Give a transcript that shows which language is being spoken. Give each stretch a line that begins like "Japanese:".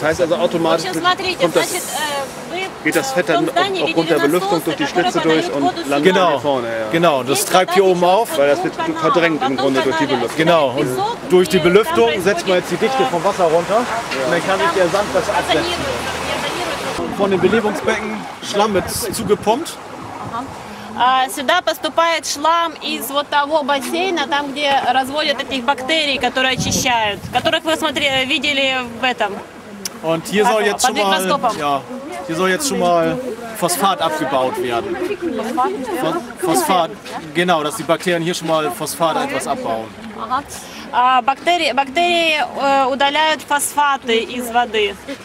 German: Das heißt also automatisch kommt das, geht das Fett dann aufgrund der Belüftung durch die Schlitze durch und landet genau, hier vorne. Ja. Genau, das treibt hier oben auf. Weil das wird verdrängt im Grunde durch die Belüftung. Genau, und durch die Belüftung setzt man jetzt die Dichte vom Wasser runter und dann kann sich der Sand das absetzen. Von den Belebungsbecken Schlamm wird zugepumpt.
Russian: Сюда поступает шлам из вот того бассейна, там, где разводят этих бактерий, которые очищают, которых вы видели в этом.
German: Und hier soll jetzt schon mal, hier soll jetzt schon mal Phosphat abgebaut werden. Phosphat, genau, dass die Bakterien hier schon mal Phosphat etwas abbauen.
Russian: Бактерии удаляют фосфаты из воды.